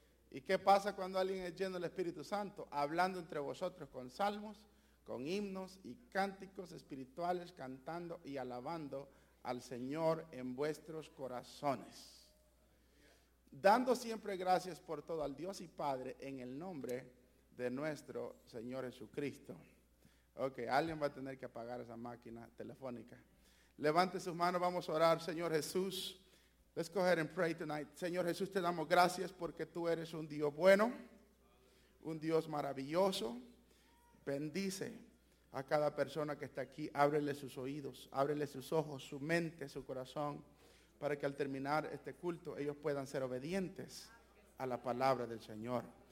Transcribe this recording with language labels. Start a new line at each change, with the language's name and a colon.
Spanish: ¿Y qué pasa cuando alguien es lleno del Espíritu Santo? Hablando entre vosotros con salmos, con himnos y cánticos espirituales, cantando y alabando al Señor en vuestros corazones. Dando siempre gracias por todo al Dios y Padre en el nombre de nuestro Señor Jesucristo. Ok, alguien va a tener que apagar esa máquina telefónica. Levante sus manos, vamos a orar. Señor Jesús,
English: let's go ahead and pray tonight.
Spanish: Señor Jesús, te damos gracias porque tú eres un Dios bueno, un Dios maravilloso. Bendice a cada persona que está aquí, ábrele sus oídos, ábrele sus ojos, su mente, su corazón, para que al terminar este culto ellos puedan ser obedientes a la palabra del Señor.